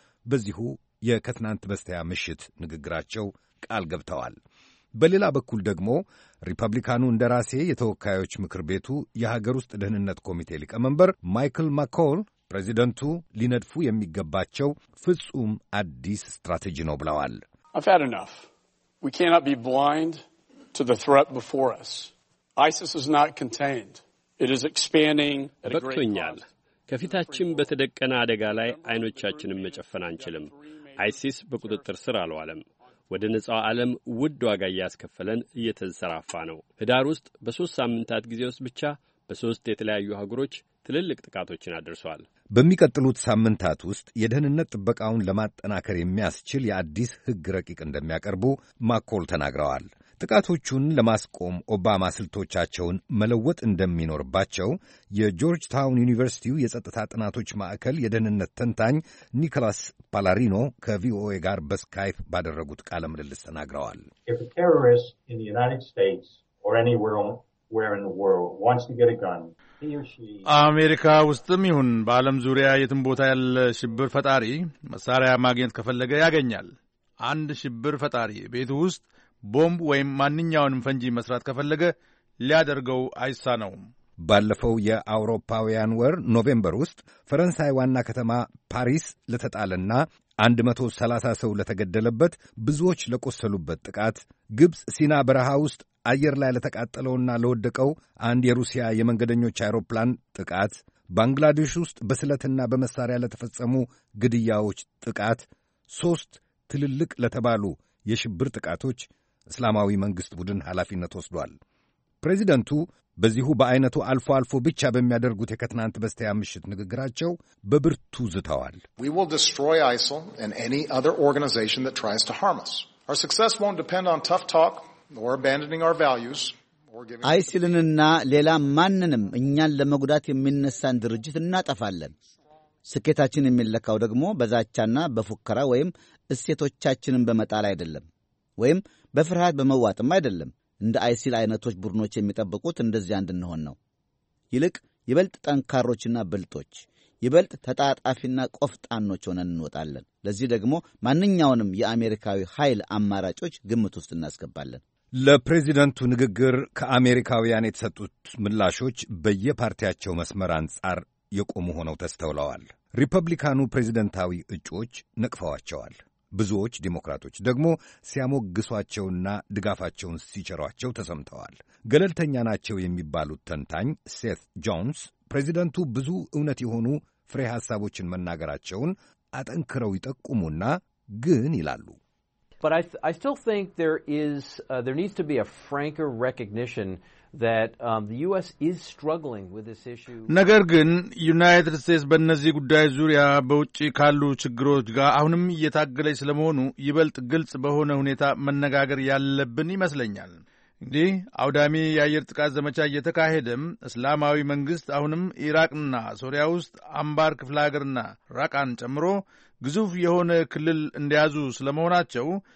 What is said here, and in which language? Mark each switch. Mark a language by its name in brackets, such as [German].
[Amharic] በዚሁ የከትናንት በስቲያ ምሽት ንግግራቸው ቃል ገብተዋል። በሌላ በኩል ደግሞ ሪፐብሊካኑ እንደራሴ የተወካዮች ምክር ቤቱ የሀገር ውስጥ ደህንነት ኮሚቴ ሊቀመንበር ማይክል ማኮል ፕሬዚደንቱ ሊነድፉ የሚገባቸው ፍጹም አዲስ ስትራቴጂ ነው ብለዋል። [English] I've had enough. We cannot be blind to the threat before us. ISIS is not contained. It is expanding at a great cost. [Amharic] ከፊታችን በተደቀነ አደጋ ላይ አይኖቻችንን መጨፈን አንችልም። አይሲስ በቁጥጥር ስር አልዋለም። ወደ ንጹህ ዓለም ውድ ዋጋ ያስከፈለን እየተንሰራፋ ነው። ህዳር ውስጥ በሶስት ሳምንታት ጊዜ ውስጥ ብቻ በሶስት የተለያዩ ሀገሮች ትልልቅ ጥቃቶችን አድርሷል። በሚቀጥሉት ሳምንታት ውስጥ የደህንነት ጥበቃውን ለማጠናከር የሚያስችል የአዲስ ህግ ረቂቅ እንደሚያቀርቡ ማኮል ተናግረዋል። ጥቃቶቹን ለማስቆም ኦባማ ስልቶቻቸውን መለወጥ እንደሚኖርባቸው የጆርጅ ታውን ዩኒቨርሲቲው የጸጥታ ጥናቶች ማዕከል የደህንነት ተንታኝ ኒኮላስ ፓላሪኖ ከቪኦኤ ጋር በስካይፕ ባደረጉት ቃለ ምልልስ ተናግረዋል። [English] If a terrorist in the United States or anywhere in the world wants to get a gun, [Amharic] አሜሪካ ውስጥም ይሁን በዓለም ዙሪያ የትም ቦታ ያለ ሽብር ፈጣሪ መሳሪያ ማግኘት ከፈለገ ያገኛል። አንድ ሽብር ፈጣሪ ቤት ውስጥ ቦምብ ወይም ማንኛውንም ፈንጂ መስራት ከፈለገ ሊያደርገው አይሳነውም። ባለፈው የአውሮፓውያን ወር ኖቬምበር ውስጥ ፈረንሳይ ዋና ከተማ ፓሪስ ለተጣለና 130 ሰው ለተገደለበት ብዙዎች ለቆሰሉበት ጥቃት፣ ግብጽ ሲና በረሃ ውስጥ አየር ላይ ለተቃጠለውና ለወደቀው አንድ የሩሲያ የመንገደኞች አውሮፕላን ጥቃት፣ ባንግላዴሽ ውስጥ በስለትና በመሳሪያ ለተፈጸሙ ግድያዎች ጥቃት፣ ሶስት ትልልቅ ለተባሉ የሽብር ጥቃቶች እስላማዊ መንግስት ቡድን ኃላፊነት ወስዷል። ፕሬዚደንቱ በዚሁ በአይነቱ አልፎ አልፎ ብቻ በሚያደርጉት የከትናንት በስቲያ ምሽት ንግግራቸው በብርቱ ዝተዋል። [English] We will destroy ISIL and any other organization that tries to harm us. Our success won't depend on tough talk or abandoning our values or giving [Amharic] ISIL-ንና ሌላ ማንንም እኛን ለመጉዳት የሚነሳን ድርጅት እናጠፋለን። ስኬታችን የሚለካው ደግሞ በዛቻና በፉከራ ወይም እሴቶቻችንን በመጣል አይደለም ወይም በፍርሃት በመዋጥም አይደለም። እንደ አይሲል አይነቶች ቡድኖች የሚጠብቁት እንደዚያ እንድንሆን ነው። ይልቅ ይበልጥ ጠንካሮችና ብልጦች፣ ይበልጥ ተጣጣፊና ቆፍጣኖች ሆነን እንወጣለን። ለዚህ ደግሞ ማንኛውንም የአሜሪካዊ ኃይል አማራጮች ግምት ውስጥ እናስገባለን። ለፕሬዚደንቱ ንግግር ከአሜሪካውያን የተሰጡት ምላሾች በየፓርቲያቸው መስመር አንጻር የቆሙ ሆነው ተስተውለዋል። ሪፐብሊካኑ ፕሬዚደንታዊ እጩዎች ነቅፈዋቸዋል። ብዙዎች ዲሞክራቶች ደግሞ ሲያሞግሷቸውና ድጋፋቸውን ሲቸሯቸው ተሰምተዋል። ገለልተኛ ናቸው የሚባሉት ተንታኝ ሴት ጆንስ ፕሬዚደንቱ ብዙ እውነት የሆኑ ፍሬ ሐሳቦችን መናገራቸውን አጠንክረው ይጠቁሙና ግን ይላሉ። [English] But I still think there needs to be a franker recognition that the US is struggling with this issue. [Amharic] ነገር ግን United States በእነዚህ ጉዳዮች ዙሪያ በውጪ ካሉ ችግሮች ጋር አሁንም እየታገለች ስለመሆኑ ይበልጥ ግልጽ በሆነ ሁኔታ መነጋገር ያለብን ይመስለኛል። እንዴ አውዳሚ የአየር ጥቃት ዘመቻ እየተካሄደም እስላማዊ መንግስት አሁንም ኢራቅና ሶሪያ ውስጥ አምባር ክፍለ ሀገርና ራቃን ጨምሮ ግዙፍ የሆነ ክልል እንዲያዙ ስለመሆናቸው